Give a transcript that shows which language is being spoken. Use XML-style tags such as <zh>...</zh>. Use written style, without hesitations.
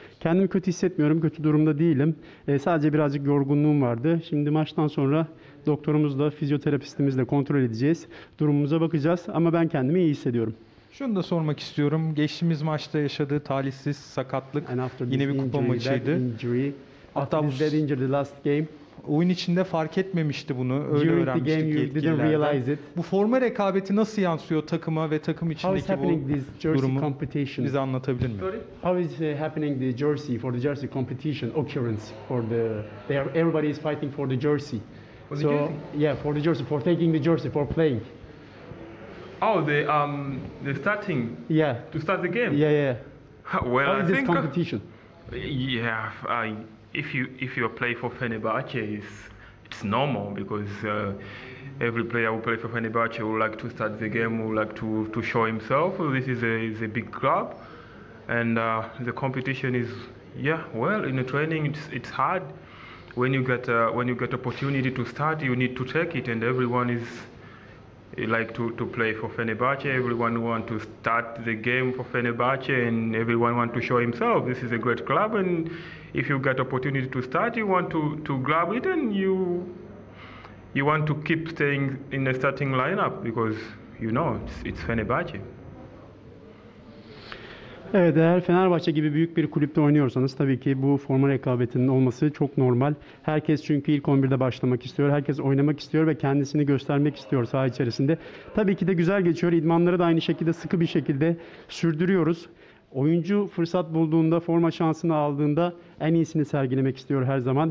<tr>Kendimi kötü hissetmiyorum, kötü durumda değilim. Sadece birazcık yorgunluğum vardı. Şimdi maçtan sonra doktorumuzla, fizyoterapistimizle kontrol edeceğiz. Durumumuza bakacağız ama ben kendimi iyi hissediyorum. Şunu da sormak istiyorum. Geçtiğimiz maçta yaşadığı talihsiz sakatlık yine bir kupa maçıydı. Hatta bu</tr> <en>that injury the last game.</en> <tr>Oyun içinde fark etmemişti bunu. Öyle öğrenmiştik. Bu forma rekabeti nasıl yansıyor takıma ve takım içindeki bu durumu? Bize anlatabilir mi?</tr> <en>How is happening the jersey for the jersey competition occurrence for the they are everybody is fighting for the jersey. So yeah, for the jersey, for taking the jersey, for playing. Oh, the starting. Yeah. To start the game. Yeah, yeah. Well, how is I think this competition. Yeah, If you play for Fenerbahce, it's normal because every player who play for Fenerbahce would like to start the game, would like to show himself. This is a big club, and the competition is yeah. Well, in the training, it's hard. When you get opportunity to start, you need to take it, and everyone is like to play for Fenerbahce. Everyone want to start the game for Fenerbahce, and everyone want to show himself. This is a great club, and if you get opportunity to start, you want to grab it, and you want to keep staying in the starting lineup because you know it's Fenerbahce.</en> <tr>Evet, eğer Fenerbahçe gibi büyük bir kulüpte oynuyorsanız tabii ki bu forma rekabetinin olması çok normal. Herkes çünkü ilk 11'de başlamak istiyor. Herkes oynamak istiyor ve kendisini göstermek istiyor saha içerisinde. Tabii ki de güzel geçiyor. İdmanları da aynı şekilde sıkı bir şekilde sürdürüyoruz. Oyuncu fırsat bulduğunda, forma şansını aldığında en iyisini sergilemek istiyor her zaman.</tr>